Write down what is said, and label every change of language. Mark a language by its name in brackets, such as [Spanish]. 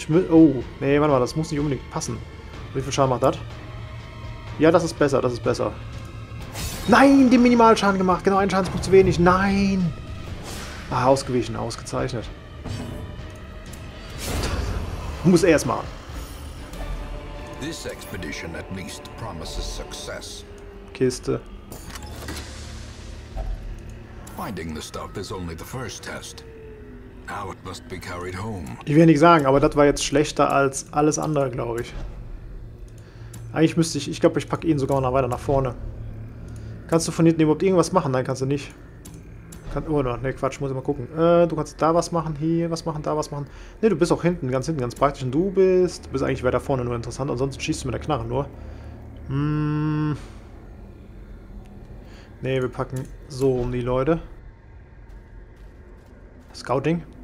[German] Oh, nee, warte mal, das muss nicht unbedingt passen. Wie viel Schaden macht das? Ja, das ist besser, das ist besser. Nein, den Minimalschaden gemacht. Genau, ein Schadenspunkt zu wenig. Nein. Ah, ausgewichen, ausgezeichnet. Muss er es machen. [English] This expedition at least promises success. Kiste. Finding the stuff is only the first test. Now it must be carried home. [German] Ich will nicht sagen, aber das war jetzt schlechter als alles andere, glaube ich. Eigentlich müsste ich, glaube, ich packe ihn sogar noch weiter nach vorne. Kannst du von hinten überhaupt irgendwas machen? Nein, kannst du nicht. Oh, ne, Quatsch, muss ich mal gucken. Du kannst da was machen, hier was machen, da was machen. Ne, du bist auch hinten, ganz praktisch. Und du bist eigentlich weiter vorne nur interessant. Ansonsten schießt du mit der Knarre nur. Ne, wir packen so um die Leute. Scouting.